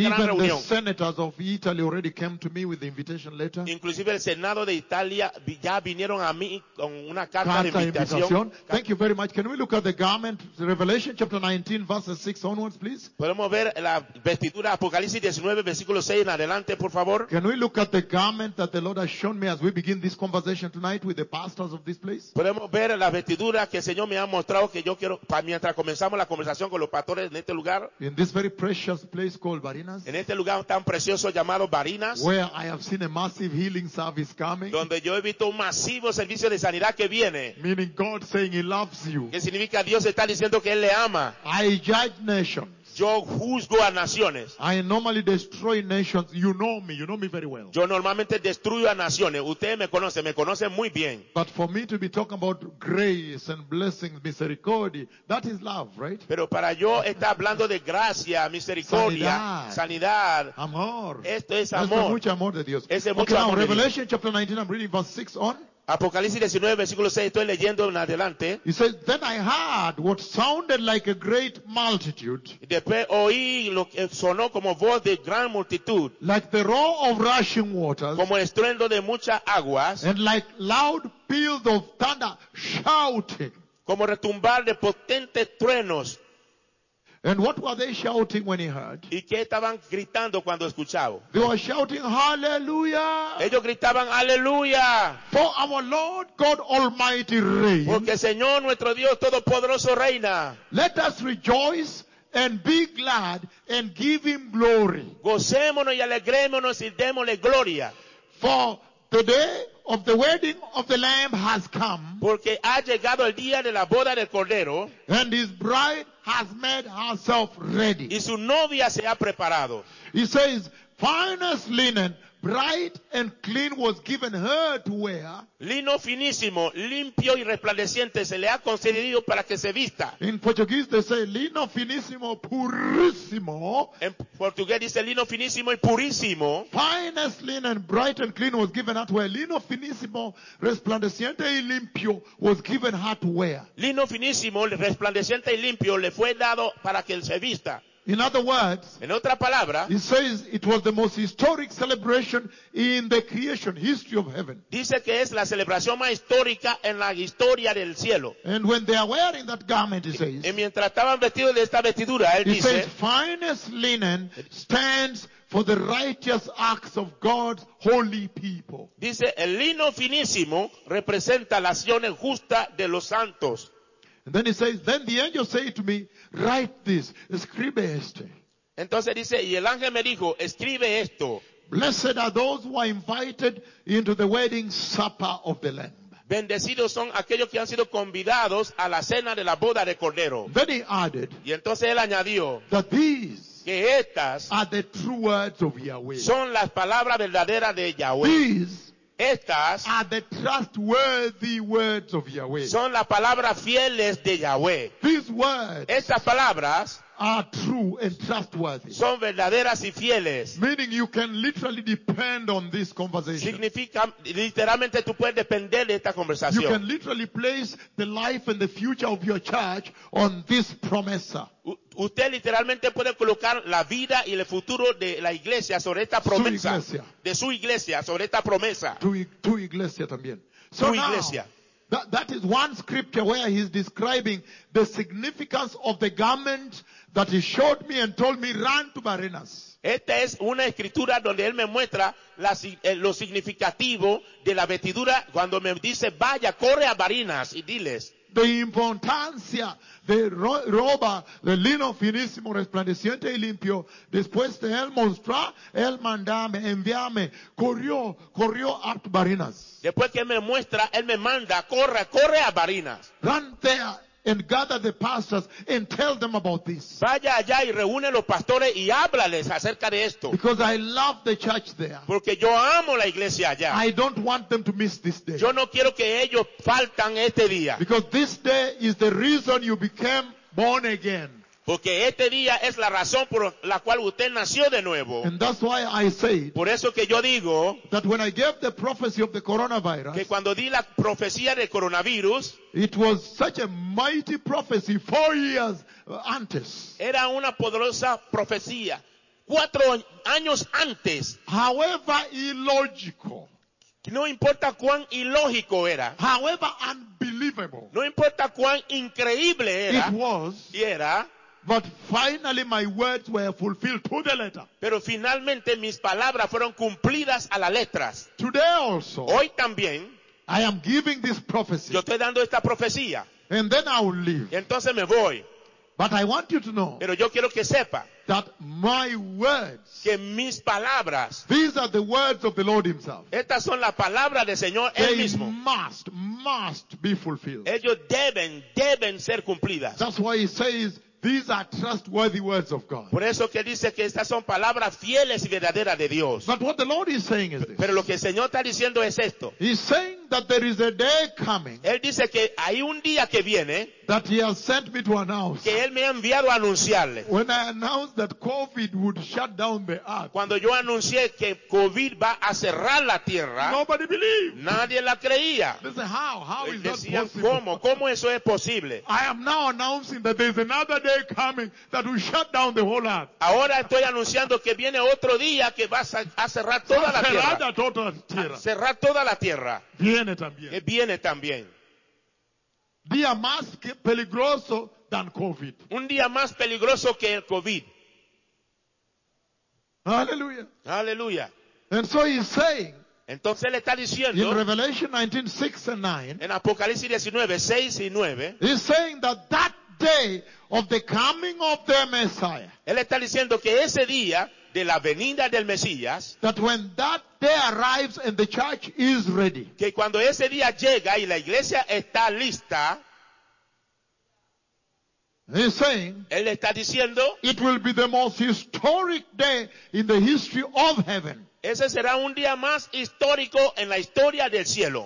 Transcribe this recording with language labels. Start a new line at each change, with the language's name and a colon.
English: even
Spanish: gran reunión.
English: Even the senators of Italy already came to me with the invitation letter.
Spanish: Inclusive el Senado de Italia ya vinieron a mí con una carta de invitación.
English: Thank you very much. Can we look at the garment, Revelation chapter 19, verses 6 onwards, please?
Spanish: Podemos ver la vestidura Apocalipsis 19, versículo 6 en adelante, por favor.
English: Can we look at the garment that the Lord has shown me as we begin this conversation tonight with the pastors of this place?
Spanish: Podemos ver la vestidura que el Señor me ha mostrado que yo quiero mientras comenzamos la conversación con los pastores en este lugar.
English: In this very precious place called Barinas,
Spanish: en este lugar tan precioso llamado Barinas.
English: Where I have seen a massive healing service coming,
Spanish: donde yo he visto un masivo servicio de sanidad que viene.
English: Meaning God saying he loves you.
Spanish: Que significa Dios está diciendo que Él le ama.
English: I judge nations.
Spanish: Yo juzgo a naciones.
English: I normally destroy nations. You know me very well.
Spanish: Yo normalmente destruyo a naciones. Ustedes me conocen muy bien.
English: But for me to be talking about grace and blessings, misericordia, that is love, right?
Spanish: Pero para yo estar hablando de gracia, misericordia, sanidad, amor. Esto es amor. Es mucho amor de Dios. Es mucho amor.
English: Okay, Revelation chapter 19, I'm reading verse 6 on.
Spanish: Apocalipsis 19, versículo 6, estoy leyendo en adelante.
English: He says, then I heard what sounded like a great multitude.
Spanish: Después oí lo que sonó como voz de gran multitud.
English: Like the roar of rushing waters.
Spanish: Como estruendo de muchas aguas.
English: And like loud peals of thunder shouting.
Spanish: Como retumbar de potentes truenos.
English: And what were they shouting when he heard?
Spanish: ¿Y qué estaban gritando cuando escuchaba?
English: They were shouting hallelujah.
Spanish: Ellos gritaban aleluya.
English: For our Lord God Almighty reigns.
Spanish: Porque Señor nuestro Dios todopoderoso reina.
English: Let us rejoice and be glad and give him glory.
Spanish: Gocémonos y alegrémonos y démosle gloria.
English: For the day of the wedding of the Lamb has come.
Spanish: Porque ha llegado el día de la boda del cordero.
English: And his bride has made herself ready.
Spanish: Y su novia se ha preparado.
English: He says, finest linen, bright and clean, was given her to wear.
Spanish: Lino finísimo, limpio y resplandeciente, se le ha concedido para que se vista.
English: In Portuguese they say,
Spanish: lino finísimo, purísimo. En portugués dice, lino finísimo y purísimo.
English: Finest linen, bright and clean, was given her to wear.
Spanish: Lino finísimo, resplandeciente y limpio,
English: was given her to wear.
Spanish: Lino finísimo, resplandeciente y limpio, le fue dado para que se vista.
English: In other words,
Spanish: en otra palabra,
English: he says it was the most historic celebration in the creation history of heaven.
Spanish: Dice que es la celebración más histórica en la historia del cielo.
English: And when they are wearing that garment, he says,
Spanish: y mientras estaban vestidos de esta vestidura, él
English: he
Spanish: dice,
English: says, finest linen stands for the righteous acts of God's holy people.
Spanish: Dice, el lino finísimo representa las acciones justas de los santos.
English: And then he says, then the angel said to me, write this,
Spanish: escribe esto. Entonces dice, y el ángel me dijo, escribe esto.
English: Blessed are those who are invited into the wedding supper of the Lamb.
Spanish: Bendecidos son aquellos que han sido convidados a la cena de la boda de Cordero.
English: Then he added,
Spanish: y entonces él añadió,
English: that these
Spanish: que estas
English: are the true words of Yahweh.
Spanish: Son las palabras verdaderas de Yahweh.
English: These
Spanish: estas
English: are the trustworthy words of Yahweh.
Spanish: Son las palabras fieles de Yahweh.
English: These words,
Spanish: estas palabras,
English: are true and trustworthy.
Spanish: Son verdaderas y fieles.
English: Meaning you can literally depend on this conversation.
Spanish: Significa literalmente tú puedes depender de esta conversación.
English: You can literally place the life and the future of your church on this promesa.
Spanish: Usted literalmente puede colocar la vida y el futuro de la iglesia sobre esta promesa. Su iglesia. De su iglesia sobre esta promesa. Tu iglesia también. Su iglesia.
English: That is one scripture where he's describing the significance of the garment that he showed me and told me run to Barrenas.
Spanish: Esta es una escritura donde él me muestra lo significativo de la vestidura cuando me dice vaya, corre a Barrenas y diles. The importancia de roba, de lino finísimo, resplandeciente y limpio, después de él mostrar, él mandame, envíame, corrió a Barrenas. Después que él me muestra, él me manda, corre a Barrenas.
English: Run there and gather the pastors and tell them about this.
Spanish: Vaya allá y reúne los pastores y háblales acerca de esto.
English: Because I love the church there.
Spanish: Porque yo amo la iglesia allá.
English: I don't want them to miss this day.
Spanish: Yo no quiero que ellos faltan este día.
English: Because this day is the reason you became born again.
Spanish: Porque este día es la razón por la cual usted nació de nuevo.
English: And that's why I say,
Spanish: por eso que yo digo,
English: that when I gave the prophecy of the coronavirus,
Spanish: que cuando di la profecía del coronavirus,
English: it was such a mighty prophecy 4 years antes.
Spanish: Era una poderosa profecía 4 años antes.
English: However illogical.
Spanish: No importa cuán ilógico era.
English: However unbelievable.
Spanish: No importa cuán increíble era.
English: It was.
Spanish: Y era.
English: But finally my words were fulfilled to the letter.
Spanish: Pero finalmente mis palabras fueron cumplidas a las letras.
English: Today also.
Spanish: Hoy también.
English: I am giving this prophecy.
Spanish: Yo estoy dando esta profecía.
English: And then I will leave.
Spanish: Entonces me voy.
English: But I want you to know.
Spanish: Pero yo quiero que sepa.
English: That my words.
Spanish: Que mis palabras.
English: These are the words of the Lord himself.
Spanish: Estas son las palabras del Señor él mismo.
English: They must be fulfilled.
Spanish: Ellos deben ser cumplidas.
English: That's why he says. These are trustworthy words of God.
Spanish: Por eso que dice que estas son palabras fieles y verdaderas de Dios.
English: But what the Lord is saying is this.
Spanish: Pero lo que el Señor está diciendo es esto.
English: He's saying that there is a day coming.
Spanish: Él dice que hay un día que viene.
English: That he has sent me to announce.
Spanish: Que él me ha enviado a anunciarle.
English: When I announced that COVID would shut down the earth.
Spanish: Cuando yo anuncié que COVID va a cerrar la tierra.
English: Nobody believed.
Spanish: Nadie la creía.
English: They said, how is
Spanish: decían,
English: that possible?
Spanish: ¿Cómo eso es posible? I am now announcing that there is another day coming that will shut down the whole earth. Ahora estoy anunciando que viene otro día que va a cerrar toda la tierra. Cerrar toda la tierra. Viene también. Viene también. Día más peligroso than COVID. Un día más peligroso que el COVID. Hallelujah. Hallelujah.
English: And so he's saying,
Spanish: entonces le está diciendo,
English: in Revelation 19, 6 and 9,
Spanish: en Apocalipsis 19, 6 y 9,
English: he's saying that that day of the coming of the Messiah,
Spanish: él está diciendo que ese día de la venida del Mesías,
English: that when that day arrives and the church is ready,
Spanish: que cuando ese día llega y la iglesia está lista,
English: he's saying,
Spanish: él está diciendo,
English: it will be the most historic day in the history of heaven.
Spanish: Ese será un día más histórico en la historia del cielo.